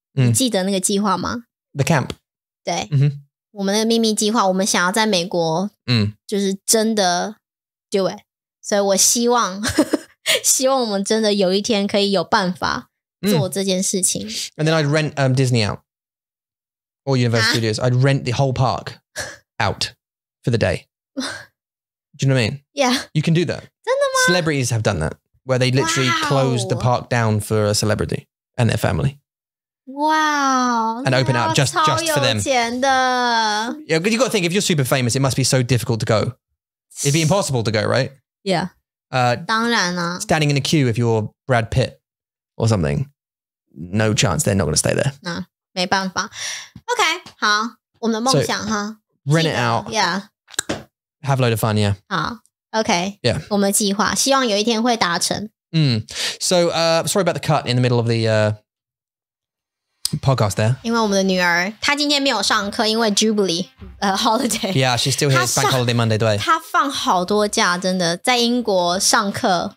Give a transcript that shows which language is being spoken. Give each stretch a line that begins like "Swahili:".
Chinese: 你记得那个计划吗?
English: The camp.
Chinese: 对。Mm-hmm. 我们的秘密计划,我们想要在美国就是真的
English: do it.
Chinese: 所以我希望我们真的有一天可以有办法做这件事情。
English: And then I'd rent Disney out. Or Universal Studios. I'd rent the whole park out for the day. Do you know what I mean? Yeah. You can do that.
Chinese: 真的吗?
English: Celebrities have done that. Where they literally closed the park down for a celebrity and their family. Wow. And open it up just for them. Yeah, because you got to think, if you're super famous, it must be so difficult to go. It'd be impossible to go, right? Yeah.
Chinese: 当然啊.
English: Standing in a queue if you're Brad Pitt or something. No chance, they're not going to stay there. No,
Chinese: 没办法.Okay, 好,我们的梦想, huh?
English: Rent it out. Yeah. Have a load of fun, yeah.
Chinese: 好, okay.
English: Yeah.
Chinese: 我们的计划, 希望有一天会达成.
English: So, sorry about the cut in the middle of the... podcast there.
Chinese: 因为我们的女儿,她今天没有上课,因为 Jubilee holiday.
English: Yeah, she's still here. It's Bank Holiday Monday,
Chinese: 对。她放好多假,真的, 在英国上课。